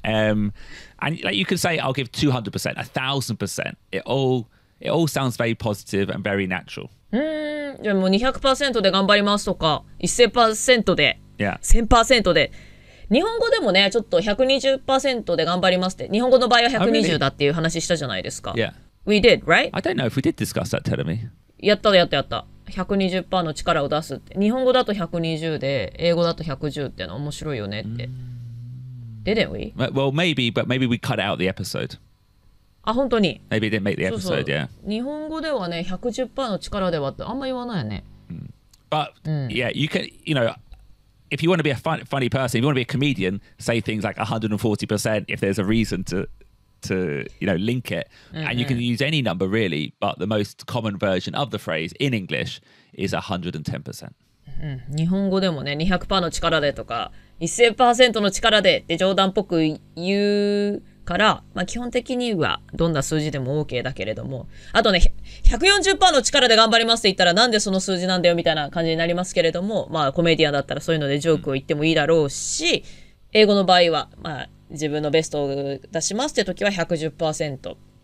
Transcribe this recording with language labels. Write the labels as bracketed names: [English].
[English] And like you can say I'll give 200%, 1000%. It all sounds very positive and very natural. [Japanese] じゃあもう 200% で頑張りますとか 1000% で、 [English] yeah. [Japanese] 1000% で日本語でもねちょっと 120% で頑張りますって日本語の場合は120だっていう話したじゃないですか、 [English] oh, really? yeah. We did, right? I don't know if we did discuss that, tell me. [Japanese] やったやったやった120% の力を出すって日本語だと120で英語だと110っていうの面白いよねって、mm-hmm. [English] Didn't we? Well, maybe, but maybe we cut out the episode. [Japanese] あ、本当に [English] Maybe didn't make the episode, [Japanese] そうそう [English] yeah [Japanese] 日本語ではね 110% の力ではってあんま言わないよね、 [English] mm-hmm. But、mm-hmm. yeah, you can, you know If you want to be a funny person, if you want to be a comedian, say things like 140% if there's a reason to you know, link it. Mm-hmm. And you can use any number really, but the most common version of the phrase in English is 110%. Mm-hmm. [Japanese] 日本語でもね、200% の力でとか、1000% の力でって冗談っぽく言うから、まあ、基本的にはどんな数字でも OK だけれども、あとね、140% の力で頑張りますって言ったらなんでその数字なんだよみたいな感じになりますけれども、まあコメディアンだったらそういうのでジョークを言ってもいいだろうし、英語の場合は、まあ自分のベストを出しますって時は 110%。